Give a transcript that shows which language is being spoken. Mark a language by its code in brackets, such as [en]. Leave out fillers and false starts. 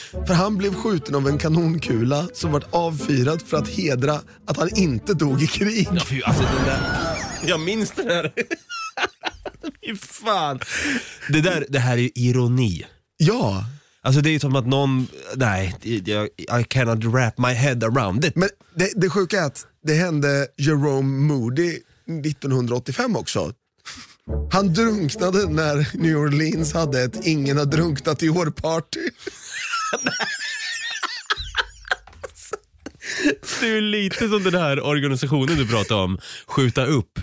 [sv] För han blev skjuten av en kanonkula som vart avfyrad för att hedra att han inte dog i krig. Ja, fy, alltså, den där, jag minns det här. Fy fan. Det här är ju ironi. Ja. Alltså det är ju som att någon... Nej, [en] I cannot wrap my head around it. [sv] Men det sjuka är att det hände Jerome Moody 1985 också. Han drunknade när New Orleans hade ett ingen har drunknat i år party. Det är lite som den här organisationen du pratade om, skjuta upp.